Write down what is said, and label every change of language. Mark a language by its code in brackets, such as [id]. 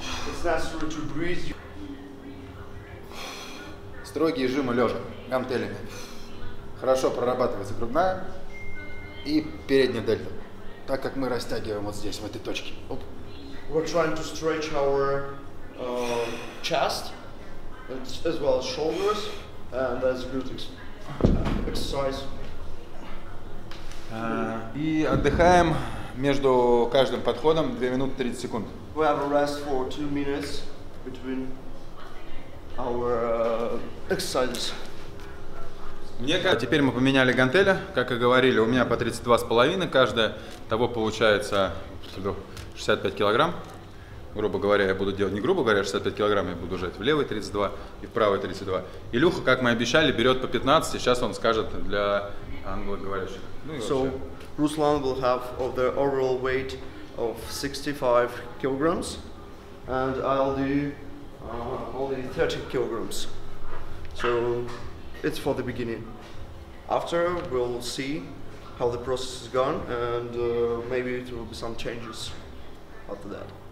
[en] It's necessary to breathe. [ru] Строгие жимы лежа, гантелями. Хорошо прорабатывается грудная и передняя дельта. Так как мы растягиваем вот здесь, в этой точке. Оп. [en] We're trying to stretch our chest as well as shoulders, and that's a good exercise. [ru] И отдыхаем между каждым подходом 2 минуты 30 секунд. [en] We have a rest for 2 minutes between our exercises. [ru] Теперь мы поменяли гантели, как и говорили, у меня по 32,5, каждая, того получается 65 килограмм, грубо говоря, я буду делать, не грубо говоря, 65 килограмм, я буду жать в левый 32 и в правый 32. Илюха, как мы обещали, берет по 15, сейчас он скажет для англоговорящих. [en] So, Ruslan will have of the overall weight of 65 kilograms, and I'll do only 30 kilograms. So, it's for the beginning. After we'll see how the process is gone, and maybe it will be some changes after that.